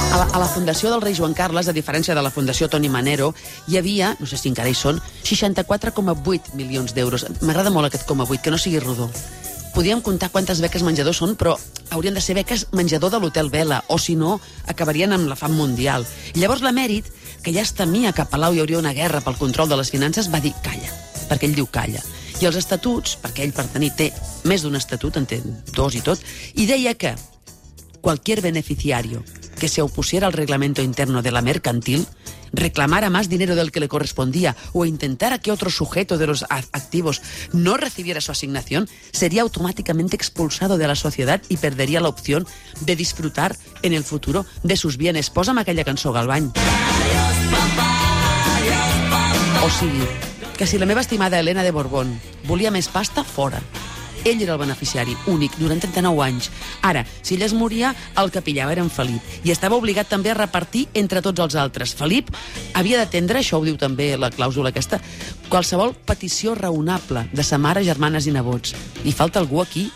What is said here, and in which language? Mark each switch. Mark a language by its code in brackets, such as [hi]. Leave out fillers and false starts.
[ca] A la Fundació del rei Joan Carles, a diferència de la Fundació Toni Manero, hi havia, no sé si encara hi són, 64,8 milions d'euros. M'agrada molt aquest 0,8, que no sigui rodó. Podríem comptar quantes beques menjador són, però haurien de ser beques menjador de l'Hotel Vela, o si no, acabarien amb la fam mundial. Llavors l'emèrit, que ja es temia que a Palau hi hauria una guerra pel control de les finances, va dir calla, perquè ell diu calla. I els estatuts, perquè ell per tenir té més d'un estatut, en té dos i tot, i deia que [es] cualquier beneficiario que se opusiera al reglamento interno de la mercantil, reclamara más dinero del que le correspondía o intentara que otro sujeto de los activos no recibiera su asignación, sería automáticamente expulsado de la sociedad y perdería la opción de disfrutar en el futuro de sus bienes. [ca] Posa'm aquella cançó, Galvany. O sigui, que si la meva estimada Elena de Borbón volia més pasta, fora. Ell era el beneficiari únic durant 39 anys. Ara, si ell es moria, el que pillava era en Felip. I estava obligat també a repartir entre tots els altres. Felip havia d'atendre, això ho diu també la clàusula aquesta, qualsevol petició raonable de sa mare, germanes i nebots. I falta algú aquí?